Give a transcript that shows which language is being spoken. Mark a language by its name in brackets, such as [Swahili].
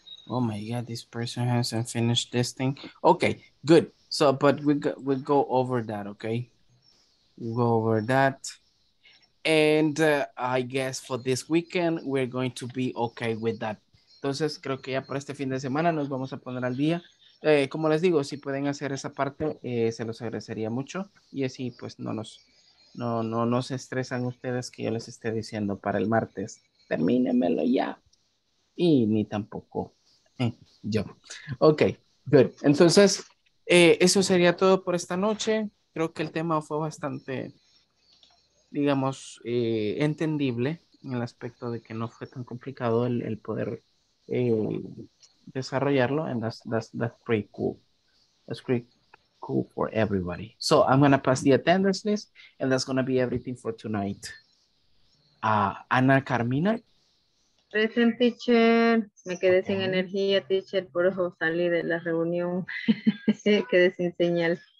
[English] Oh my God, this person hasn't finished this thing. Okay, good. So, but we'll go over that, okay? We'll go over that. And I guess for this weekend, we're going to be okay with that. [Spanish] Entonces, creo que ya para este fin de semana nos vamos a poner al día. Como les digo, si pueden hacer esa parte, se los agradecería mucho. Y así, pues, no se estresan ustedes que yo les esté diciendo para el martes, termínemelo ya. Y ni tampoco yo. [English] Ok, good. [Spanish] Entonces, eso sería todo por esta noche. Creo que el tema fue bastante, digamos, entendible en el aspecto de que no fue tan complicado el poder desarrollarlo. [English] And that's pretty cool. That's pretty cool for everybody. So I'm going to pass the attendance list and that's going to be everything for tonight. Ana Carmina. Present, teacher. [Spanish] Me quedé okay. Sin energía, teacher. Por eso salí de la reunión. Quedé sin señal.